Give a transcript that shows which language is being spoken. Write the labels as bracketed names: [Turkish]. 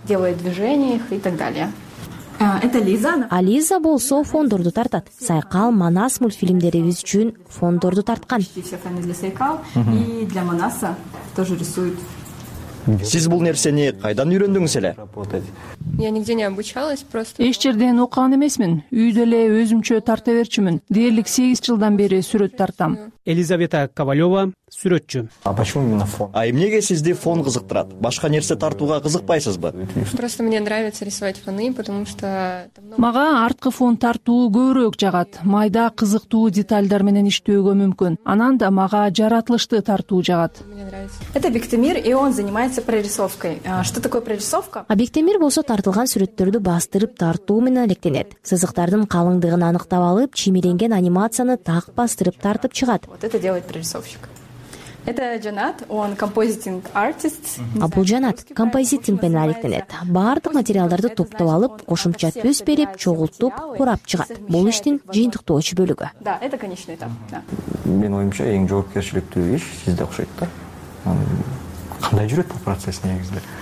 [Russian] Делает движения их и так далее. Это Лиза. [Kyrgyz] А Лиза болсо фондорду тартат. Сайкал Манас мультфильмдерибиз үчүн фондорду тарткан. [Russian] И для Манаса тоже рисует. [Kyrgyz] Сиз бул нерсени кайдан үйрөндүңүз эле? [Russian] Я нигде не обучалась, просто [Kyrgyz] эч жерден окуган эмесмин. Үйдө эле өзүмчө тарта берчүмүн. Дээрлик 8 жылдан бери сүрөт тартам. Елизавета Ковалева, сүрөтчү. [Russian] А почему именно фон? [Kyrgyz] А эмнеге сизди фон кызыктырат? Башка нерсе тартууга кызыкпайсызбы? [Russian] Просто мне нравится рисовать фоны, потому что [Kyrgyz] мага арткы фон тартуу көбүрөөк жагат. Майда кызыктуу детальдар менен иштөөгө мүмкүн. Анан да мага жаратылышты тартуу жагат. [Russian] Это Бектемир, и он занимается прорисовкой. Что такое прорисовка? [Kyrgyz] А Бектемир болсо тартылган сүрөттөрдү бастырып тартуу менен алектенет. Сызыктардын калыңдыгын аныктап алып, чимиренген анимацияны так бастырып тартып чыгат. [Russian] Вот это делает прорисовщик. Это Джанат, он композитинг артист. [Kyrgyz] А бул Джанат композитинг менен алектенет. Баардык материалдарды топтоп алып, кошумча түс берип, чогултуп, курап чыгат. Бул иштин жыйынтыктоочу бөлүгү. [Russian] Да, это конечный этап. [Kyrgyz] Мен оюмча эң жоопкерчиликтүү иш сизде окшойт да. Кандай жүрөт бул процесс негизинде?